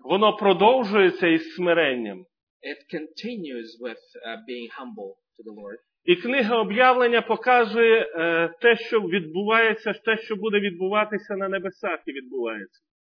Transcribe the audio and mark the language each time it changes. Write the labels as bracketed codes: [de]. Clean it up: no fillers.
[uk] Воно продовжується із смиренням. [en] It continues with being humble to the Lord. [uk] І книга Об'явлення показує те, що відбувається, те, що буде відбуватися на небесах, і відбувається.